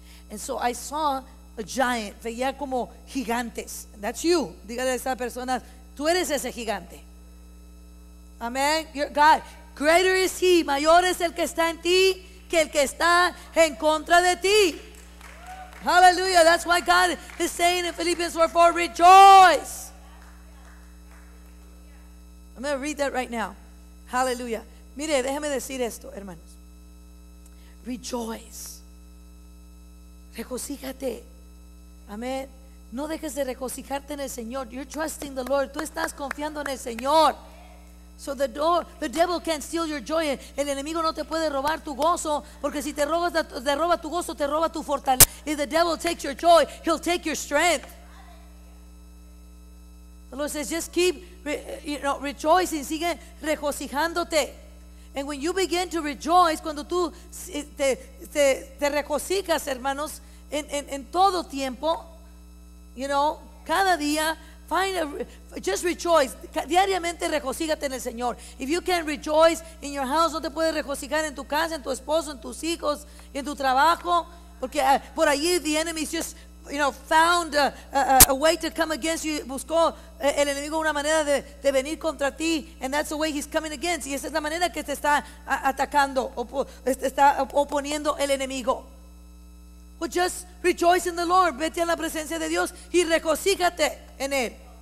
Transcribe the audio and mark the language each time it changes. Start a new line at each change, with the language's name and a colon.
English: And so I saw a giant.
Spanish: Veía como gigantes.
English: That's you.
Spanish: Dígale a esa persona, tú eres ese gigante. Amen.
English: You're God. Greater is he.
Spanish: Mayor es el que está en ti que el que está en contra de ti. Hallelujah.
English: That's why God is saying in Philippians 4:4, rejoice. I'm going to read that right now. Hallelujah.
Spanish: Mire, déjeme decir esto, hermanos.
English: Rejoice.
Spanish: Regocíjate.
English: Amén.
Spanish: No dejes de regocijarte en el Señor.
English: You're trusting the Lord.
Spanish: Tú estás confiando en el Señor.
English: So the devil can't steal your joy.
Spanish: El enemigo no te puede robar tu gozo, porque si te roba tu gozo, te roba tu fortaleza.
English: If the devil takes your joy, he'll take your strength. The Lord says, just keep rejoicing,
Spanish: sigue regocijándote.
English: And when you begin to rejoice,
Spanish: cuando tú te regocijas, hermanos, en todo tiempo,
English: you know,
Spanish: cada día.
English: Just rejoice.
Spanish: Diariamente regocígate en el Señor.
English: If you can't rejoice in your house,
Spanish: no te puedes regocijar en tu casa, en tu esposo, en tus hijos, en tu trabajo. Porque por allí
English: the enemy's just, you know, found a way to come against you.
Spanish: Buscó el enemigo una manera de venir contra ti.
English: And that's the way he's coming against.
Spanish: Y esa es la manera que te está atacando o te está oponiendo el enemigo.
English: But just rejoice in the Lord.
Spanish: Vete a la presencia de Dios y regocíjate en él.